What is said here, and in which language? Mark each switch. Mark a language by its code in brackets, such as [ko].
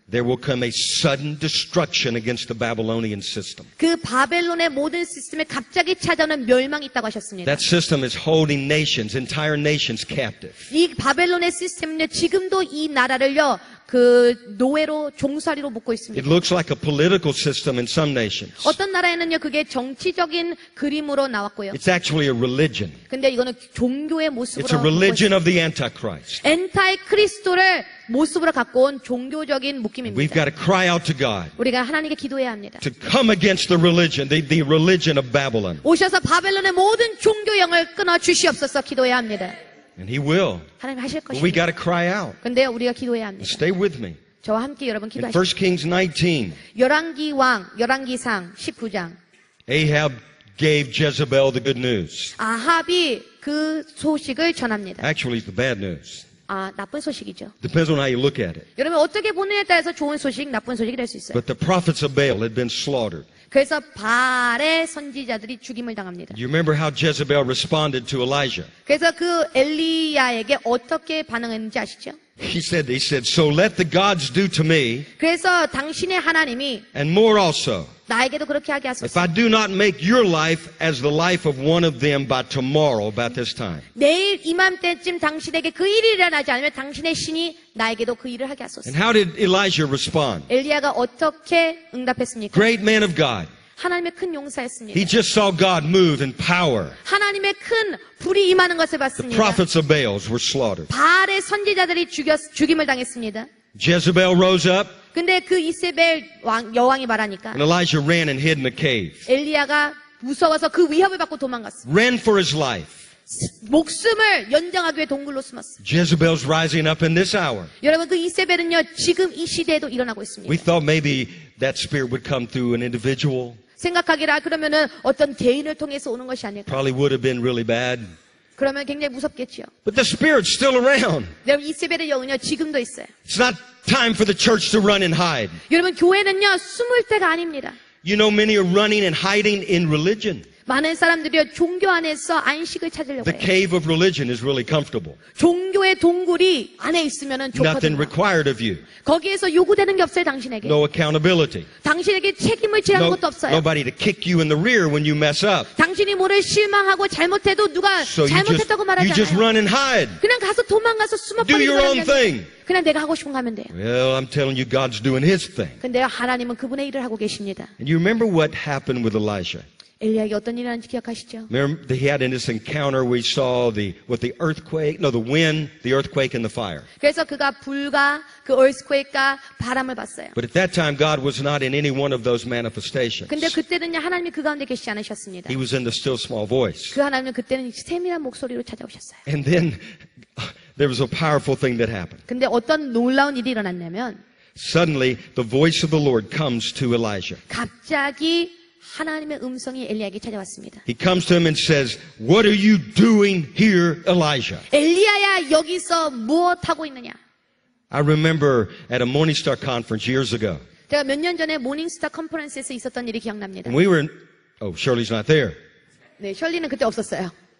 [en] There will come a sudden destruction against the Babylonian system. [ko] 그 바벨론의 모든 시스템에 갑자기 찾아오는 멸망이 있다고 하셨습니다. [en] That system is holding nations, entire nations captive. [ko] 이 바벨론의 시스템은 지금도 이 나라를요 그 노예로 종살이로 묶고 있습니다. [en] It looks like a political system in some nations. [ko] 어떤 나라에는요 그게 정치적인 그림으로 나왔고요. [en] It's actually a religion. [ko] 근데 이거는 종교의 모습으로 [en] It's a religion of the Antichrist. [ko] 엔티크리스토를 모습으로 갖고 온 종교적인 묶임입니다. [en] We've got to cry out to God. [ko] 우리가 하나님께 기도해야 합니다. [en] To come against the religion, the religion of Babylon. [ko] 오셔서 바벨론의 모든 종교 영을 끊어 주시옵소서 기도해야 합니다. [en] And he will. [ko] 하나님 하실 것입니다. [en] But we got to cry out. [ko] 근데 우리가 기도해야 합니다. [en] Stay with me. [ko] 저와 함께 여러분 기도하십시오. [en] In 1 Kings 19. [ko] 열왕기왕 열왕기상 19장. [en] Ahab gave Jezebel the good news. [ko] 아합이 그 소식을 전합니다. [en] Actually, it's the bad news. [ko] 아, 나쁜 소식이죠. [en] Depends on how you look at it. [ko] 여러분 어떻게 보느냐에 따라서 좋은 소식, 나쁜 소식이 될 수 있어요. [en] But the prophets of Baal had been slaughtered. [ko] 그래서 바알의 선지자들이 죽임을 당합니다. [en] You remember how Jezebel responded to Elijah? [ko] 그래서 그 엘리야에게 어떻게 반응했는지 아시죠? [en] He said, so let the gods do to me. [ko] 그래서 당신의 하나님이 [en] and more also. [ko] 나에게도 그렇게 하게 하소서. [en] If I do not make your life as the life of one of them by tomorrow about this time. [ko] 내일 이맘때쯤 당신에게 그 일이 일어나지 않으면 당신의 신이 나에게도 그 일을 하게 하소서. [en] And how did Elijah respond? [ko] 엘리야가 어떻게 응답했습니까? [en] Great man of God. [ko] 하나님의 큰 용사였습니다. [en] He just saw God move in power. [ko] 하나님의 큰 불이 임하는 것을 봤습니다. [en] The prophets of Baals were slaughtered. [ko] 바알의 선지자들이 죽임을 당했습니다. [en] Jezebel rose up. [ko] 근데 그 이세벨 왕, 여왕이 말하니까 [en] And Elijah ran and hid in a cave. [ko] 엘리야가 무서워서 그 위협을 받고 도망갔어. [en] Ran for his life. [ko] 목숨을 연장하기 위해 동굴로 숨었어. [en] Jezebel's rising up in this hour. [ko] 여러분 그 이세벨은요 지금 이 시대에도 일어나고 있습니다. [en] We thought maybe that spirit would come through an individual. [ko] 생각하기라 그러면은 어떤 개인을 통해서 오는 것이 아닐까. [en] Probably would have been really bad. [ko] 그러면 굉장히 무섭겠지요. [en] But the spirit's still around. [ko] 여러분 이세벨의 영은요 지금도 있어요. [en] It's not time for the church to run and hide. [ko] 여러분 교회는요 숨을 때가 아닙니다. [en] You know many are running and hiding in religion. [ko] 많은 사람들이 종교 안에서 안식을 찾으려고 해요. [en] The cave of religion is really comfortable. [ko] 종교의 동굴이 안에 있으면은 좋거든요. [en] Nothing required of you. [ko] 거기에서 요구되는 게 없어요, 당신에게. [en] No accountability. [ko] 당신에게 책임을 지는 [en] no, [ko] 것도 없어요. [en] Nobody to kick you in the rear when you mess up. [ko] 당신이 뭐를 실망하고 잘못해도 누가 [en] so [ko] 잘못했다고 말하지 [en] you You just run and hide. [ko] 그냥 가서 도망가서 숨어버리는 [en] Do your own thing. [ko] 그냥 내가 하고 싶은 거 하면 돼요. [en] Well, I'm telling you God's doing his thing. [ko] 근데 하나님은 그분의 일을 하고 계십니다. [en] And you remember what happened with Elijah? [ko] 엘리야가 어떤 일이었는지 기억하시죠? [en] Remember, he had in this encounter we saw the earthquake, no, the wind, the earthquake and the fire. [ko] 그래서 그가 불과 그 earthquake과 바람을 봤어요. [en] But at that time God was not in any one of those manifestations. [ko] 근데 그때는요 하나님이 그 가운데 계시지 않으셨습니다. [en] He was in the still small voice. [ko] 그 하나님은 그때는 세밀한 목소리로 찾아오셨어요. [en] And then there was a powerful thing that happened. [ko] 근데 어떤 놀라운 일이 일어났냐면 [en] Suddenly the voice of the Lord comes to Elijah. [ko] 갑자기 하나님의 음성이 엘리야에게 찾아왔습니다. [en] He comes to him and says, "What are you doing here, Elijah?" [ko] 엘리야야 여기서 무엇 하고 있느냐? [en] I remember at a Morningstar conference years ago. [ko] 제가 몇 년 전에 모닝스타 컨퍼런스에서 있었던 일이 기억납니다. [en] We were Oh, Shirley's not there. [ko] 네, 셜리는 그때 없었어요.